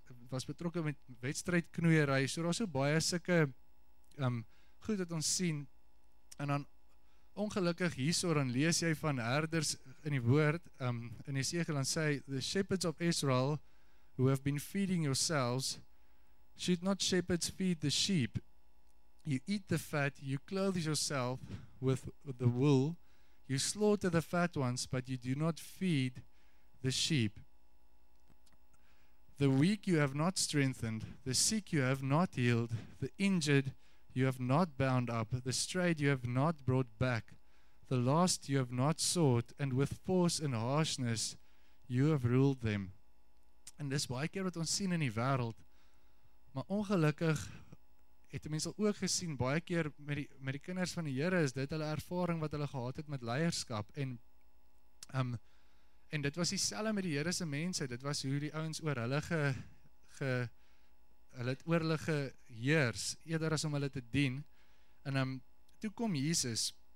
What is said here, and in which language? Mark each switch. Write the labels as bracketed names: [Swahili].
[Afrikaans] was betrokke met wedstrijdknoeierij, so daar so baie sikke goed het ons sien, en dan ongelukkig hiersoor, dan lees jy van herders in die woord, in die Esegiel, dan sê, [English] the shepherds of Israel, who have been feeding yourselves, should not shepherds feed the sheep. You eat the fat, you clothe yourself with the wool, you slaughter the fat ones, but you do not feed the sheep. The weak you have not strengthened, the sick you have not healed, the injured you have not bound up, the strayed you have not brought back, the lost you have not sought, and with force and harshness you have ruled them. [Afrikaans] En dis baie keer wat ons sien in die wêreld, maar ongelukkig het mense al ook gesien, baie keer met die kinders van die Here is dit hulle ervaring wat hulle gehad het met leierskap, en dit was dieselfde met die Here se mense, dit was hoe die ouens oor hulle hulle het oor hulle geheers, eerder as om hulle te dien, en toe kom Jesus,